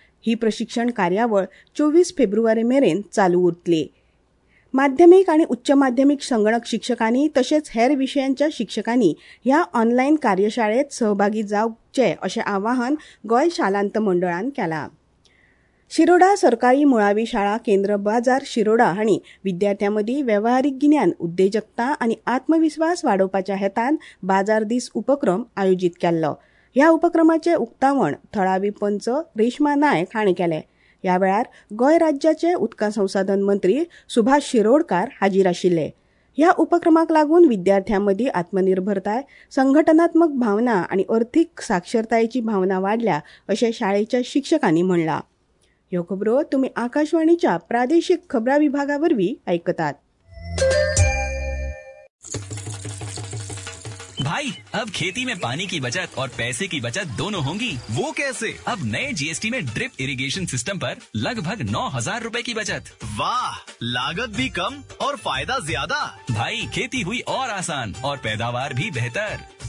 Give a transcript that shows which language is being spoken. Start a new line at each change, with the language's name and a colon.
Goan Konkani: ही प्रशिक्षण कार्यावळ 24 फेब्रुवारी मेरेन चालू उरतली. माध्यमीक आनी उच्च माध्यमीक संगणक शिक्षकांनी तशेंच हेर विशयांच्या शिक्षकांनी ह्या ऑनलायन कार्यशाळेत सहभागी जावचे अशें आवाहन गोंय शालांत मंडळान केलां. शिरोडा सरकारी मुळावी शाळा केंद्र बाजार शिरोडा हांणी विद्यार्थ्यांमदीं वेव्हारीक गिन्यान उद्देजकता आनी आत्मविस्वास वाडोवपाच्या हेतान बाजार दीस उपक्रम आयोजीत केल्लो. ह्या उपक्रमाचें उक्तावण थळावी पंच रेशमा नायक हांणी केलें. ह्या वेळार गोंय राज्याचे उदका संसाधन मंत्री सुभाष शिरोडकार हाजीर आशिल्ले. ह्या उपक्रमाक लागून विद्यार्थ्यांमदीं आत्मनिर्भरताय, संघटनात्मक भावना आनी अर्थीक साक्षरतायेची भावना वाडल्या अशें शाळेच्या शिक्षकांनी म्हणलां. ह्यो खबरो तुम्ही आकाशवाणीच्या प्रादेशिक खबरा विभागावरवी ऐकतात.
Hindi: भाई अब खेती में पानी की बचत और पैसे की बचत दोनों होंगी. वो कैसे? अब नए जीएसटी में ड्रिप इरिगेशन सिस्टम पर लगभग 9,000 रुपए की बचत. वाह, लागत भी कम और फायदा ज्यादा. भाई खेती हुई और आसान और पैदावार भी बेहतर.